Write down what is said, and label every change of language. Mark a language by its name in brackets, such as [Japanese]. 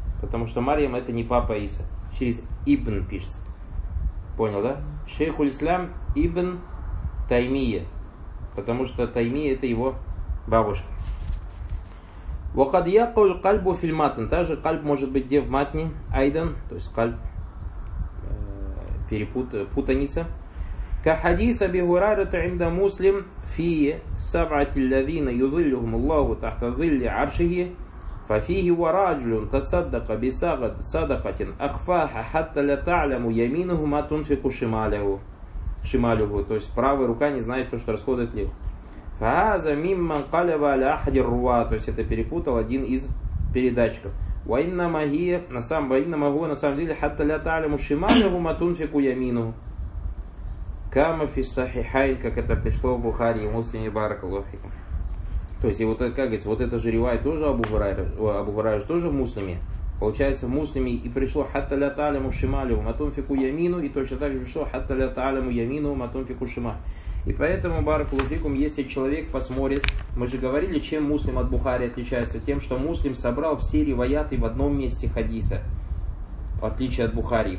[Russian] Потому что Марьям это не папа Иса. Через ибн пишется. Понял, да? Шейхуль Ислам ибн Таймия. Потому что Таймия это его бабушка. [Arabic] Вакадья коль кальбу фильматен. [Russian] Та же кальб может быть где в матне айдан. То есть кальб путаница. [Arabic] كحديث أبي هريرة عند مسلم في سبعة الذين يظلهم الله تحت ظل عرشه ففيه ورجل تصدق بصدقة أخفاها حتى لا تعلم يمينه ما تنفق شماله شماله [Russian] то есть правая рука не знает то что расходует лев [Arabic] فهذا ممن قلب على أحد الرواة [Russian] то есть это перепутал один из передатчиков [Arabic] وإنما هي [Russian] на самом [Arabic] وإنما هو [Russian] на самом деле [Arabic] حتى لا تعلم شماله ما تنفق يمينه Кама фи сахихайн, [Russian] как это пришло в Бухари и Муслиме баракаллаху. То есть, и вот это, как говорится, вот это же ривай тоже Абу Хурайра тоже в Муслиме. Получается, в Муслиме и пришло [Arabic] хатта ля таляму шималю матунфику ямину, [Russian] и точно так же пришло [Arabic] хатта ля таляму ямину матунфику шима. [Russian] И поэтому, баракаллаху, если человек посмотрит, мы же говорили, чем Муслим от Бухари отличается, тем, что Муслим собрал все риваяты в одном месте хадиса. В отличие от Бухари.